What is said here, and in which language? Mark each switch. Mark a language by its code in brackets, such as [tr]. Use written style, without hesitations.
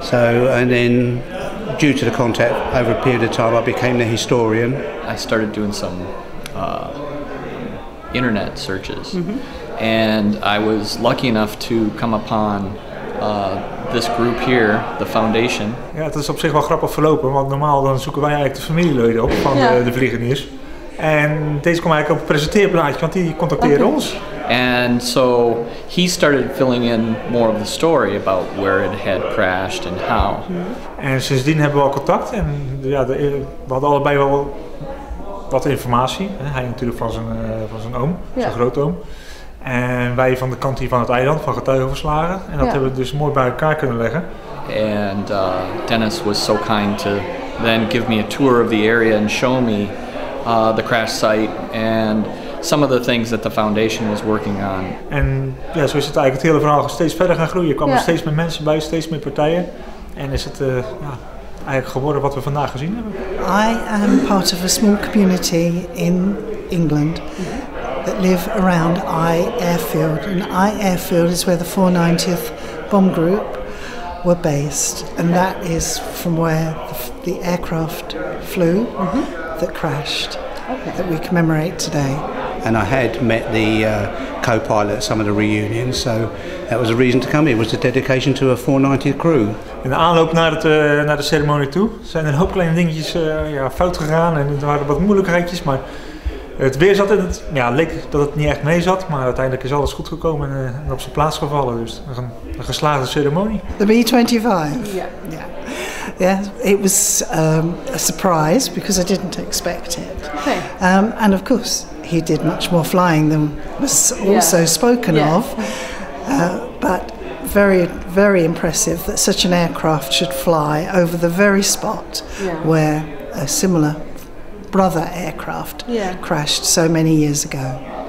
[en] So, and then due to the contact over a period of time, I became the historian. I started doing some internet searches. And I was lucky enough to come upon this group here, the foundation. [nl] Ja, het is op zich wel grappig verlopen, want normaal dan zoeken wij eigenlijk de familieleden op van de vliegeniers. En deze kwam eigenlijk op een presenteerplaatje, want die contacteerde ons. [en] And so he started filling in more of the story about where it had crashed and how. [nl] En sindsdien hebben we al contact en ja, we hadden allebei wel wat informatie. Hij natuurlijk van zijn oom, zijn grootoom. En wij van de kant hier van het eiland, van getuigenverslagen. En dat hebben we dus mooi bij elkaar kunnen leggen. [en] And Dennis was so kind to then give me a tour of the area and show me the crash site and some of the things that the foundation was working on. [nl] En ja, zo is het eigenlijk het hele verhaal steeds verder gaan groeien. Er kwamen steeds meer mensen bij, steeds meer partijen. En is het eigenlijk geworden wat we vandaag gezien hebben? [en] I am part of a small community in England that live around Eye Airfield. And Eye Airfield is where the 490th bomb group were based. And that is from where the aircraft flew that crashed, that we commemorate today. And I had met the co-pilot at some of the reunions, so that was a reason to come here. It was a dedication to a 490th crew. [nl] In de aanloop naar de ceremonie toe zijn er een hoop kleine dingetjes fout gegaan en er waren wat moeilijkheidjes, maar het weer zat en het leek dat het niet echt mee zat, maar uiteindelijk is alles goed gekomen en op zijn plaats gevallen. Dus een geslaagde ceremonie. [en] The B-25. Yeah. It was a surprise because I didn't expect it. Okay. And of course he did much more flying than was also spoken of. But very, very impressive that such an aircraft should fly over the very spot where a similar brother aircraft crashed so many years ago.